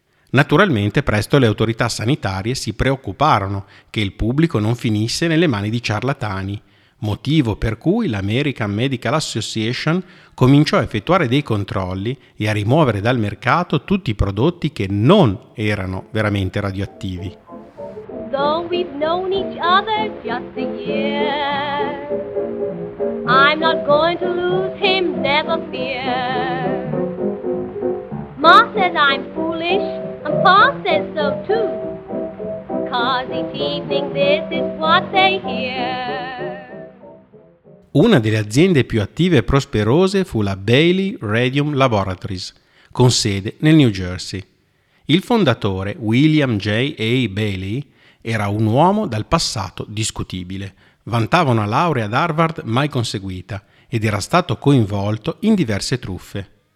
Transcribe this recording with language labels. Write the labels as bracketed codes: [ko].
[it] Naturalmente presto le autorità sanitarie si preoccuparono che il pubblico non finisse nelle mani di ciarlatani, motivo per cui l'American Medical Association cominciò a effettuare dei controlli e a rimuovere dal mercato tutti i prodotti che non erano veramente radioattivi. [en] Though we've known each other just a year, I'm not going to lose him, never fear. Ma says I'm foolish. And Pa says so too, 'cause each evening this is what they hear. [it] Una delle aziende più attive e prosperose fu la Bailey Radium Laboratories, con sede nel New Jersey. Il fondatore, William J. A. Bailey, era un uomo dal passato discutibile. Vantava una laurea ad Harvard mai conseguita ed era stato coinvolto in diverse truffe.